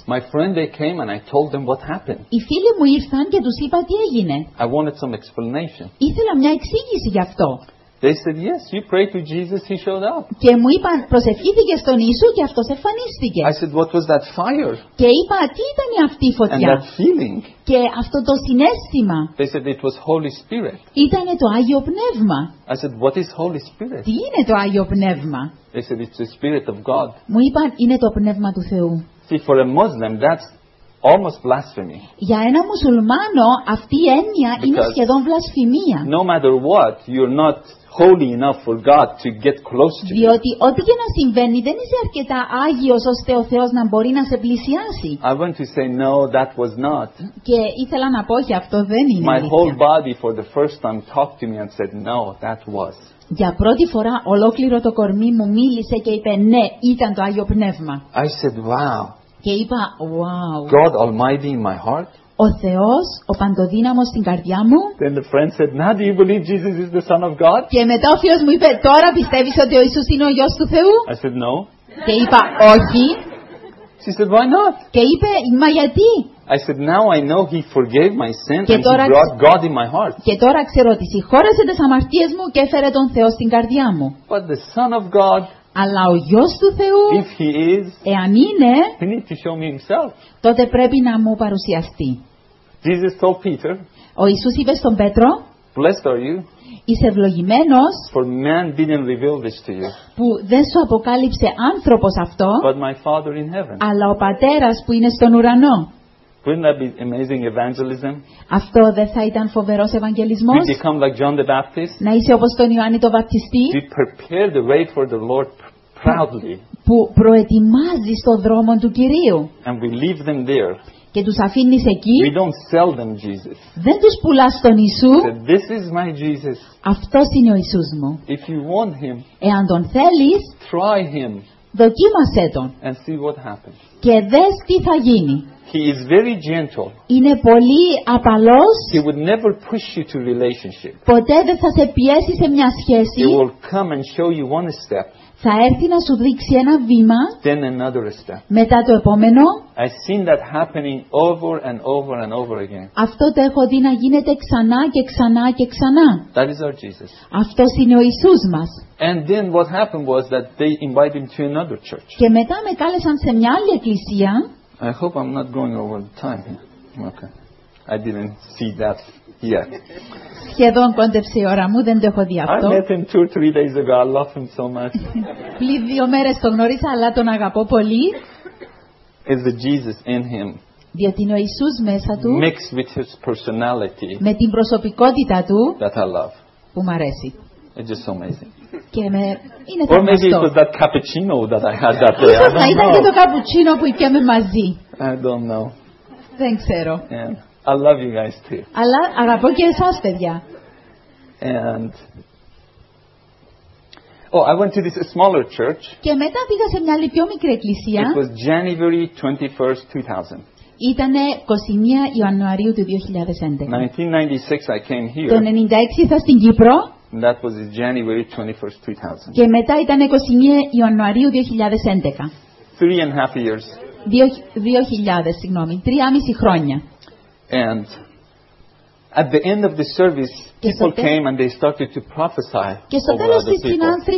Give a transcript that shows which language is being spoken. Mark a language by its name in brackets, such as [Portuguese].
[English] My friend, they came and I told them what happened. [Greek] Οι φίλοι μου ήρθαν και τους είπα τι έγινε. [English] I wanted some explanation. [Greek] Ήθελα μια εξήγηση γι' αυτό. [English] They said, yes, you prayed to Jesus, he showed up. [Greek] Και μου είπαν, προσευχήθηκε στον Ιησού και αυτός εμφανίστηκε. [English] I said, what was that fire? [Greek] Και είπα, τι ήταν αυτή η φωτιά? [English] And that feeling. [Greek] Και αυτό το συνέστημα. [English] They said, it was Holy Spirit. [Greek] Ήταν το Άγιο Πνεύμα. [English] I said, what is Holy Spirit? [Greek] Τι είναι το Άγιο Πνεύμα? [English] They said, it's the Spirit of God. [Greek] Μου είπαν, είναι το Πνεύμα του Θεού. [English] See, for a Muslim, that's almost blasphemy. [Greek] Για ένα μουσουλμάνο, αυτή η έννοια είναι σχεδόν βλασφημία. [English] No matter what, you're not holy enough for God to get close to you. [Greek] Διότι ό,τι και να συμβαίνει, δεν είσαι αρκετά άγιος ώστε ο Θεός να μπορεί να σε πλησιάσει. [English] I want to say no, that was not. [Greek] Και ήθελα να πω ότι αυτό δεν είναι. [English] My whole body for the first time talked to me and said no, that was. [Greek] Για πρώτη φορά ολόκληρο το κορμί μου μίλησε και είπε ναι, ήταν το Άγιο Πνεύμα. [English] I said wow. [Greek] Και είπα wow. [English] God Almighty in my heart. [Greek] Ο Θεός, ο Παντοδύναμος στην καρδιά μου. [English] Then the friend said, "Now do you believe Jesus is the Son of God?" [Greek] Και μετά ο φίλος μου είπε, "Τώρα πιστεύεις ότι ο Ιησούς είναι ο Υιός του Θεού?" [English] I said, "No." [Greek] Και είπα, "Όχι." [English] She said, "Why not?" [Greek] Και είπε, "Μα γιατί?" [English] I said, "Now I know He forgave my sin and He brought God in my heart." [Greek] Και τώρα ξέρω ότι συγχώρεσε τις αμαρτίες μου και έφερε τον Θεό στην καρδιά μου. [English] But the Son of God. [Greek] Αλλά ο Υιός του Θεού, [English] if he is, [Greek] εάν είναι, [English] he needs to show me himself. [Greek] Τότε πρέπει να μου παρουσιαστεί. [English] Jesus told Peter, [Greek] ο Ιησούς είπε στον Πέτρο, [English] blessed are you, [Greek] είσαι ευλογημένος, [English] for man didn't reveal this to you, [Greek] που δεν σου αποκάλυψε άνθρωπος αυτό, [English] but my Father in heaven, [Greek] αλλά ο Πατέρας που είναι στον ουρανό. [English] Wouldn't that be amazing evangelism? [Greek] Αυτό δεν θα ήταν φοβερός ευαγγελισμός? [English] We become like John the Baptist, [Greek] να είσαι όπως τον Ιωάννη τον Βαπτιστή, [English] we prepare the way for the Lord proudly, [Greek] που προετοιμάζεις το δρόμο του Κυρίου, [English] and we leave them there. [Greek] Και τους αφήνεις εκεί. [English] We don't sell them Jesus. [Greek] Δεν τους πουλάς τον Ιησού. [English] Said, this is my Jesus. [Greek] Αυτός είναι ο Ιησούς μου. [English] If you want him, [Greek] εάν τον θέλεις, [English] try him, [Greek] δοκίμασέ τον. [English] And see what happens. [Greek] Και δες τι θα γίνει. [English] He is very gentle. [Greek] Είναι πολύ απαλός. [English] He would never push you to relationship. [Greek] Ποτέ δεν θα σε πιέσει σε μια σχέση. [English] He will come and show you one step. [Greek] Θα έρθει να σου δείξει ένα βήμα, [English] then another step. [Greek] Μετά το επόμενο. [English] I've seen that happening over and over and over again. [Greek] Αυτό το έχω δει να γίνεται ξανά και ξανά και ξανά. [English] That is our Jesus. [Greek] Αυτός είναι ο Ιησούς μας. [English] And then what happened was that they invited him to another church. [Greek] Και μετά με κάλεσαν σε μια άλλη εκκλησία. [English] I hope I'm not going over the time here. Okay. I didn't see that. [Greek] Σχεδόν κόντεψε η ώρα μου, δεν το έχω δει αυτό. [English] I met him 2-3 days ago. I love him so much. [Greek] Πλην δύο μέρες τον γνώρισα, αλλά τον αγαπώ πολύ. [English] Is the Jesus in him? [Greek] Διότι είναι ο Ιησούς μέσα του. [English] Mixed with his personality. [Greek] Με την προσωπικότητα του. [English] That I love. [Greek] Που μ' αρέσει. [English] It's just so amazing. [Greek] Και με είναι τόσο. [English] Or maybe it was that cappuccino that I had that day. [Greek] Ίσως να ήταν και το καπουτσίνο που είχαμε μαζί. [English] I don't know. [Greek] Δεν ξέρω. [English] Yeah. I love you guys too. [Greek] Αλλά αγαπώ και εσάς, παιδιά. [English] And oh, I went to this smaller church. [Greek] Και μετά πήγα σε μια άλλη πιο μικρή εκκλησία. [English] It was January 21st, 2000. [Greek] Ήτανε 21 Ιανουαρίου του 2011. [English] 1996 I came here. [Greek] Το 96 ήρθα στην Κύπρο. [English] And that was January 21st, 2000. [Greek] Και μετά ήτανε 21 Ιανουαρίου 2011. [English] 3.5 years. [Greek] 2000, συγγνώμη, 3.5 χρόνια. [English] And at the end of the service, people came and they started to prophesy over other people.